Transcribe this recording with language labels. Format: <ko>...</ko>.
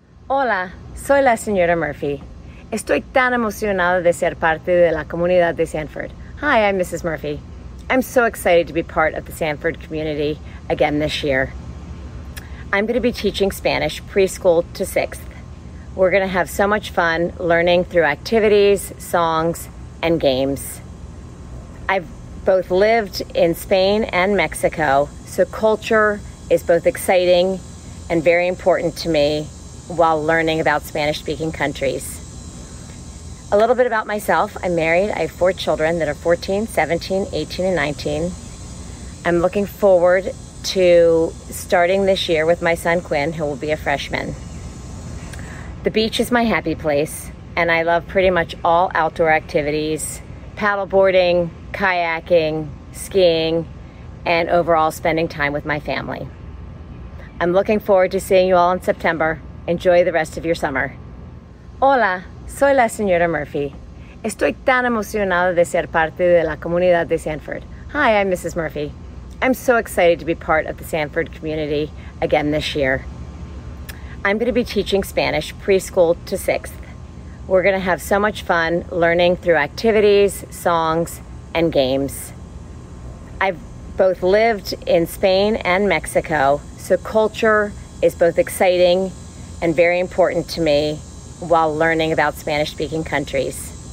<es>Hola, soy la señora Murphy. Estoy tan emocionada de ser parte de la comunidad de Sanford.</es> <en>Hi, I'm Mrs. Murphy. I'm so excited to be part of the Sanford community again this year. I'm going to be teaching Spanish preschool to sixth. We're going to have so much fun learning through activities, songs, and games. I've both lived in Spain and Mexico, so culture is both exciting and very important to me while learning about Spanish-speaking countries. A little bit about myself. I'm married. I have four children that are 14, 17, 18, and 19. I'm looking forward to starting this year with my son, Quinn, who will be a freshman. The beach is my happy place, and I love pretty much all outdoor activities, paddleboarding, kayaking, skiing, and overall spending time with my family. I'm looking forward to seeing you all in September. Enjoy the rest of your summer.</en> <es>Hola, soy la señora Murphy. Estoy tan emocionada de ser parte de la comunidad de Sanford.</es> <en>Hi, I'm Mrs. Murphy. I'm so excited to be part of the Sanford community again this year. I'm going to be teaching Spanish preschool to sixth. We're going to have so much fun learning through activities, songs, and games. I've both lived in Spain and Mexico, so culture is both exciting and very important to me while learning about Spanish-speaking countries.</en>